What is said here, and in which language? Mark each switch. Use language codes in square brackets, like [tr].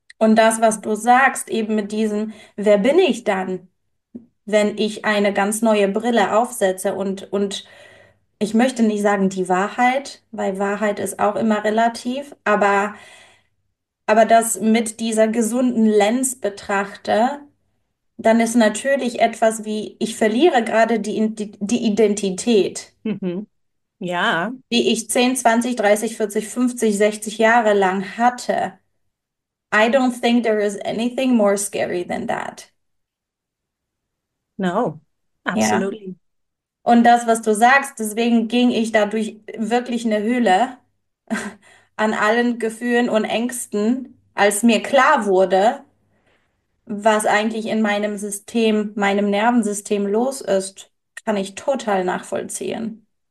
[de] Und das, was du sagst, eben mit diesem, wer bin ich dann, wenn ich eine ganz neue Brille aufsetze und ich möchte nicht sagen die Wahrheit, weil Wahrheit ist auch immer relativ, aber das mit dieser gesunden Lens betrachte, dann ist natürlich etwas wie, ich verliere gerade die Identität, Ja. die ich 10, 20, 30, 40, 50, 60 Jahre lang hatte. [en] I don't think there is anything more scary than that. No, [de] Ja. [en] absolutely. [de] Und das, was du sagst, deswegen ging ich da durch wirklich eine Höhle an allen Gefühlen und Ängsten, als mir klar wurde, was eigentlich in meinem System, meinem Nervensystem los ist, kann ich total nachvollziehen.